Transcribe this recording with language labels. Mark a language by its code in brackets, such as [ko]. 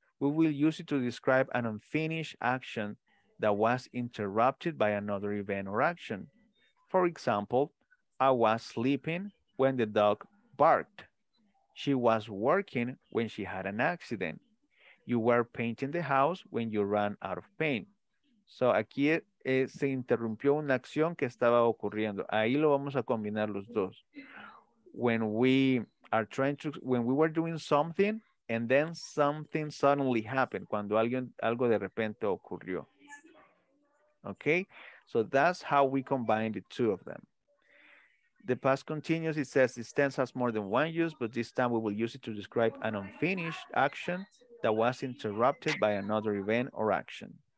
[en] We will use it to describe an unfinished action that was interrupted by another event or action. For example, I was sleeping when the dog barked. She was working when she had an accident. You were painting the house when you ran out of paint. [es] So aquí se interrumpió una acción que estaba ocurriendo. Ahí lo vamos a combinar los dos. [en] When we are trying to, when we were doing something, and then something suddenly happened. [es] Cuando alguien, algo de repente ocurrió. [en] Okay, so that's how we combine the two of them. The past continuous, it says this tense has more than one use, but this time we will use it to describe an unfinished action that was interrupted by another event or action.